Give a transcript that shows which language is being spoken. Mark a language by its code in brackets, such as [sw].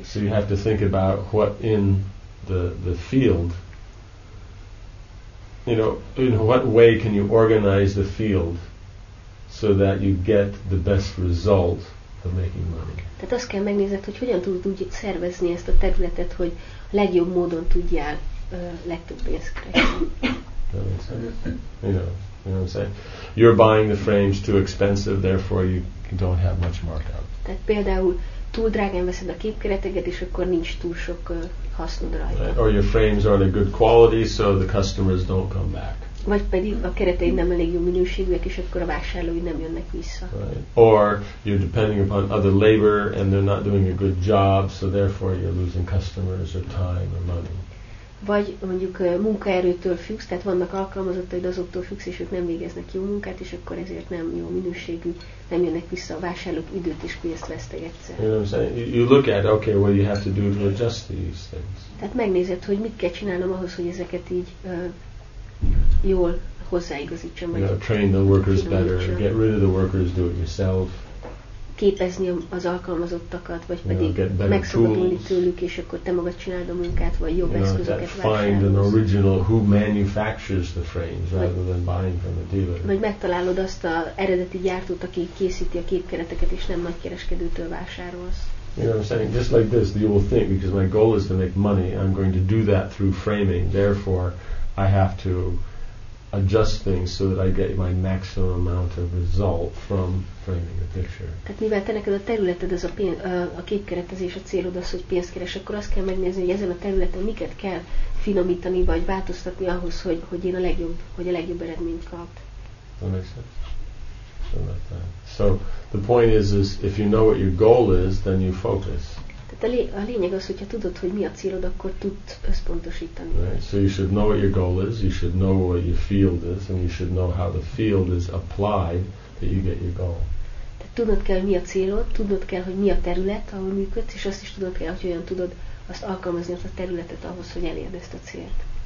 [en] So you have to think about what in the field, you know, in what way can you organize the field so that you get the best result of making money. [hu] Tehát azt kell megnézned, hogy hogyan tudod úgy szervezni ezt a területet, hogy legjobb módon tudjál legtöbb pénzt keresni. [en] You know what I'm saying? You're buying the frames too expensive, therefore you don't have much markup. [hu] Tehát például túl drágán veszed a képkereteket, és akkor nincs túl sok hasznod rajta. [en] Right. Or your frames aren't a good quality, so the customers don't come back. [hu] Vagy pedig a kereteid nem elég jó minőségűek, és akkor a vásárlói nem jönnek vissza. [en] Right. Or you're depending upon other labor, and they're not doing a good job, so therefore you're losing customers or time or money. [hu] Vagy mondjuk munkaerőtől függsz, tehát vannak alkalmazottaid, azoktól függsz, és ők nem végeznek jó munkát, és akkor ezért nem jó minőségű, nem jönnek vissza a vásárlók, időt és pénzt vesztegetsz. [en] You know what I'm saying? You look at, okay, what you have to do to adjust these things. [hu] Tehát megnézed, hogy mit kell csinálnom ahhoz, hogy ezeket így jól hozzáigazítsam. [en] You know, train the workers better, get rid of the workers, do it yourself. [hu] Képezni az alkalmazottakat, vagy pedig megszabadulni tőlük, és akkor te magad csináld a munkát, vagy jobb eszközöket vásárolsz. [en] Find an original who manufactures the frames rather than buying from a dealer. [hu] Vagy megtalálod azt az eredeti gyártót, aki készíti a képkereteket, és nem nagy kereskedőtől vásárolsz. [en] You know what I'm saying? Just like this, you will think, because my goal is to make money, I'm going to do that through framing, therefore I have to adjust things so that I get my maximum amount of result from framing a picture. [hu] Tehát mivel te neked a területed az a képkeretezés, a célod az, hogy pénzt keres, akkor azt kell megnézni, hogy ezen a területen miket kell finomítani vagy változtatni ahhoz, hogy én a legjobb, hogy a legjobb eredményt kapd. [en] That makes sense. So the point is if you know what your goal is, then you focus. [hu] Tehát a lényeg az, hogyha tudod, hogy mi a célod, akkor tudsz összpontosítani. [en] Right. So you should know what your goal is, you should know what your field is, and you should know how the field is applied that you get your goal. [hu] Tehát tudnod kell, hogy mi a célod, tudnod kell, hogy mi a terület, ahol működsz, és azt is tudnod kell, hogy olyan tudod azt alkalmazni azt a területet ahhoz, hogy elérd ezt a célt.